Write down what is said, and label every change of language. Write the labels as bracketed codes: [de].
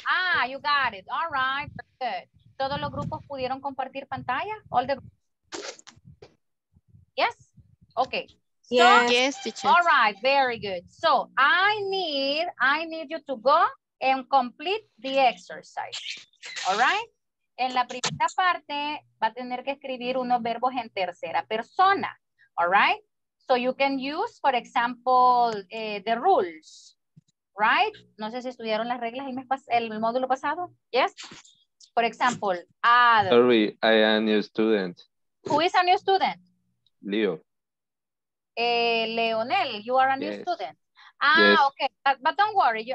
[en] Ah, you got it. All right, good. [es] ¿Todos los grupos pudieron compartir pantalla? [en] All the... Yes? Okay. Yes, teacher. All right, very good. So I need you to go and complete the exercise. All right? [es] En la primera parte va a tener que escribir unos verbos en tercera persona. [en] All right? So you can use, for example, the rules. Right? [es] No sé si estudiaron las reglas el módulo pasado. [en] Yes? For example, sorry, I am a new student. Who is a new student? Leo. Leonel, you are a new student. Ah, yes. Okay. But don't worry.